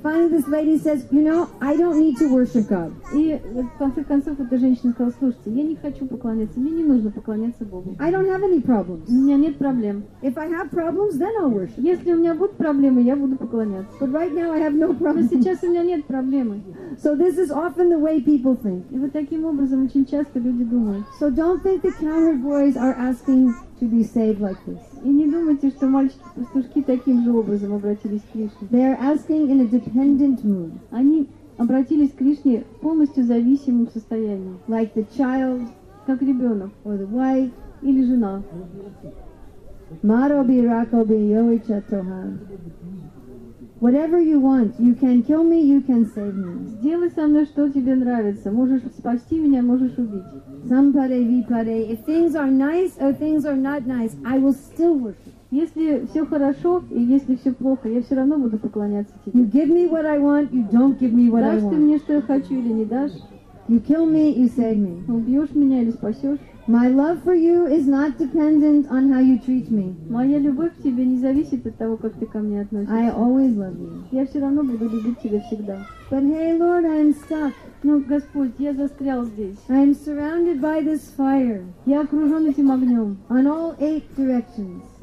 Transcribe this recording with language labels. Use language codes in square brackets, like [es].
[en] Finally, this lady says, you know, I don't need to worship God. [ru] И в конце концов эта женщина сказала, слушайте, я не хочу поклоняться, мне не нужно поклоняться Богу. [en] I don't have any problems. [ru] У меня нет проблем. [en] If I have problems, then I'll worship. [ru] Если у меня будут проблемы, я буду поклоняться. [en] But right now I have no problems. [ru] Но сейчас у меня нет проблемы. [en] So this is often the way people think. [ru] И вот таким образом очень часто люди думают. [en] So don't think the counter boys are asking to be saved like this. [ru] И не думайте, что мальчики-пастушки таким же образом обратились к Кришне. [en] They are asking in a dependent mood. [ru] Они обратились к Кришне в полностью зависимом состоянии. [en] Like the child, [ru] как ребенок, [en] or the wife, [ru] или жена. [bn] Maro bi rako bi yoicha toha. [en] Whatever you want, you can kill me, you can save me. [ru] Сделай со мной что тебе нравится. Можешь спасти меня, можешь убить. [bn] Sampare vipare. [en] If things are nice or things are not nice, I will still worship. [ru] Если все хорошо и если все плохо, я все равно буду поклоняться тебе. [en] You give me what I want, you don't give me what [ru] дашь [en] I want. [ru] Дашь ты мне что я хочу или не дашь? [en] You kill me, you save me. [ru] Убьешь меня или спасешь? [en] My love for you is not dependent on how you treat me. [ru] Моя любовь к тебе не зависит от того, как ты ко мне относишься. [en] I always love you. [ru] Я все равно буду любить тебя всегда. [en] But hey, Lord, I am stuck. [ru] Ну, Господь, я застрял здесь. [en] I am surrounded by this fire. [ru] Я окружен этим огнем. [en] On all eight directions.